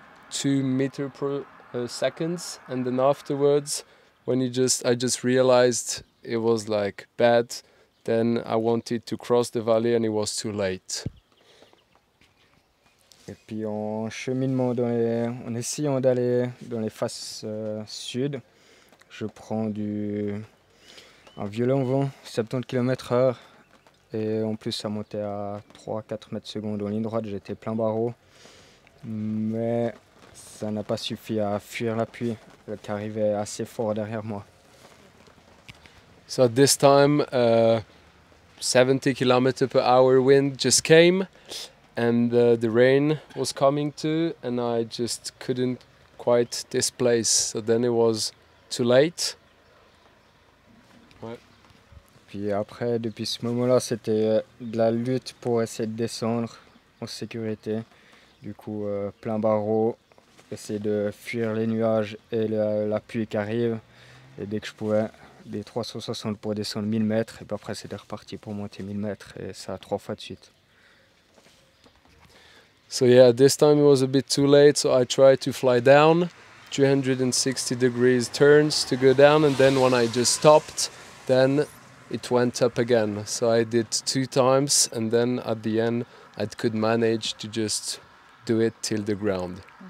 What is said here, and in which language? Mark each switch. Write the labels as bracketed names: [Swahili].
[English] 2 meters per seconds, and then afterwards, when I just realized it was like bad, then I wanted to cross the valley, and it was too late. [French] Et puis en cheminement en essayant d'aller dans les faces sud, je prends un violent vent, 70 km/h, et en plus ça montait à 3-4 mètres secondes en ligne droite, j'étais plein barreau, mais ça n'a pas suffi à fuir la pluie qui arrivait assez fort derrière moi. [English] So at this time, 70 km per hour wind just came and the rain was coming too, and I just couldn't quite displace. So then it was too late. Ouais. [French] Puis après, depuis ce moment-là, c'était de la lutte pour essayer de descendre en sécurité. Du coup, plein barreau. Essayer de fuir les nuages et la pluie qui arrive. Et dès que je pouvais, des 360 pour descendre 1000 mètres. Et puis après, c'était reparti pour monter 1000 mètres. Et ça, 3 fois de suite. [English] So yeah, this time it was a bit too late. So I tried to fly down 360 degrees turns to go down. And then when I just stopped, then it went up again. So I did 2 times. And then at the end, I could manage to just do it till the ground.